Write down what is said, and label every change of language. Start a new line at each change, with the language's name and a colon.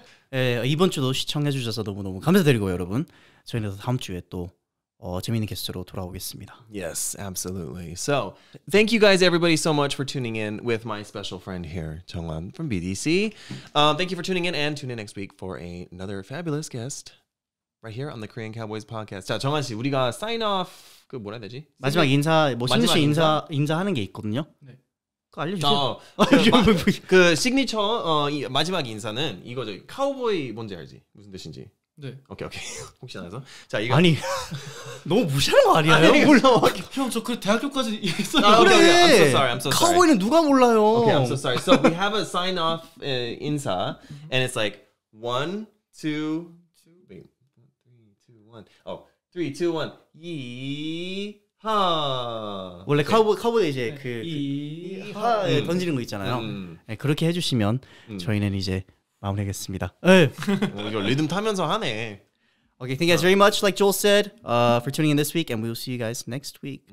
Korean: 네, 이번 주도 시청해 주셔서 너무너무 감사드리고요, 여러분. 저희는 다음 주에 또 재미있는 게스트로 돌아오겠습니다.
English: Yes, absolutely. So, thank you guys, everybody, so much for tuning in with my special friend here, Jeong-wan from BDC. Thank you for tuning in, and tune in next week for another fabulous guest right here on the Korean Cowboys podcast.
Korean: 자, 정한 씨, 우리가
English: sign off,
Korean: 그 뭐라 해야 되지? 마지막 인사, 뭐 신지 씨 인사하는 게 있거든요. 네. 그거 알려주세요. 그 시그니처 마지막 인사는 이거죠. 카우보이 뭔지 알지? 무슨 뜻인지? 네. 오케이. 혹시 안 해서. 자, 이거 아니. 너무 무시하는 거 아니야? 아니, 몰라. 형, 저 그 대학교까지 있어. 아, 그래.
English: Okay. I'm so sorry.
Korean: 카우보이는 누가 몰라요?
English: Okay, I'm so sorry. So we have a sign off 인사 and it's like 1 2 3 2 1. Oh, 3 2 1. 이하.
Korean: 원래 okay. 카우보이 이제 그 이하 던지는 거 있잖아요. 네, 그렇게 해 주시면 저희는 이제 마무리하겠습니다. 이거 리듬 타면서 하네.
English: Okay, thank you guys very much, like Joel said, for tuning in this week, and we'll see you guys next week.